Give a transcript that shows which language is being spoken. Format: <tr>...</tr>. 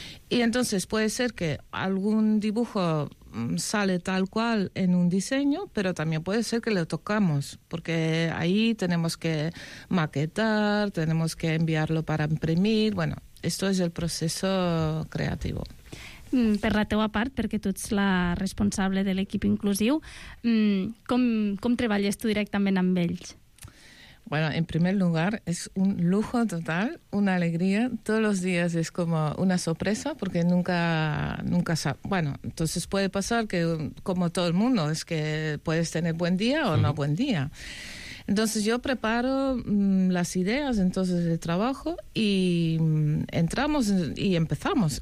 <es>Y entonces puede ser que algún dibujo sale tal cual en un diseño, pero también puede ser que lo tocamos, porque ahí tenemos que maquetar, tenemos que enviarlo para imprimir. Bueno, esto es el proceso creativo.</es> <ca>Per la teua part, perquè tu ets la responsable de l'equip inclusiu, com treballes tu directament amb ells?</ca> <es>Bueno, en primer lugar, es un lujo total, una alegría. Todos los días es como una sorpresa, porque nunca sabes. Bueno, entonces puede pasar que, como todo el mundo, es que puedes tener buen día o no buen día. Entonces yo preparo las ideas, entonces el trabajo, y entramos y empezamos.</es>